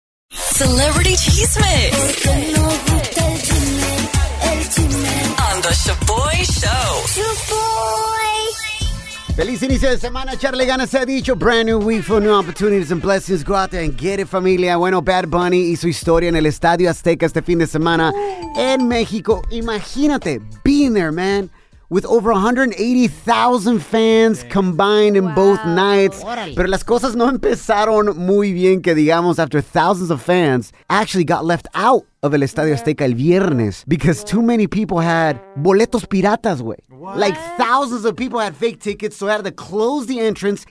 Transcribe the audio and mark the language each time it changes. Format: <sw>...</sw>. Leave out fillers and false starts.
<en>Celebrity Chisme. Shaboy.</en> <es>Feliz inicio de semana, Charlie ganas ha dicho.</es> <en>Brand new week for new opportunities and blessings. Go out there and get it, familia.</en> <es>Bueno, Bad Bunny y su historia en el Estadio Azteca este fin de semana en México. Imagínate,</es> <en>being there, man. With over 180,000 fans combined in both nights.</en> <es>Pero las cosas no empezaron muy bien, que digamos,</es> <en>after thousands of fans actually got left out of El Estadio Azteca</en> <es>el viernes</es> <en>because too many people had</en> <es>boletos piratas, güey.</es> <en>Like thousands of people had fake tickets, so I had to close the entrance.</en>